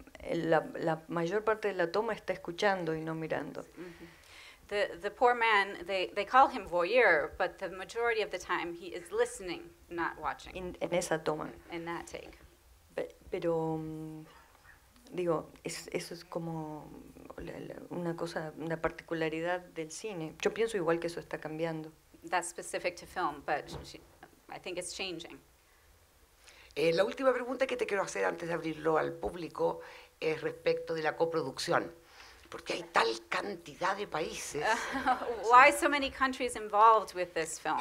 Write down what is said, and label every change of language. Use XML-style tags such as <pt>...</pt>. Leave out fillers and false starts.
<es>La mayor parte de la toma está escuchando y no mirando.</es> <en>The poor man, they call him voyeur, but the majority of the time he is listening, not watching.</en> <es>En esa toma.</es> <en>In that take.</en> <es>Pero digo, eso es como una cosa, una particularidad del cine. Yo pienso igual que eso está cambiando.</es> <en>That's specific to film, but I think it's changing.</en> <es>La última pregunta que te quiero hacer antes de abrirlo al público es respecto de la coproducción, porque hay tal cantidad de países.</es> <en>Why so many countries involved with this film?</en>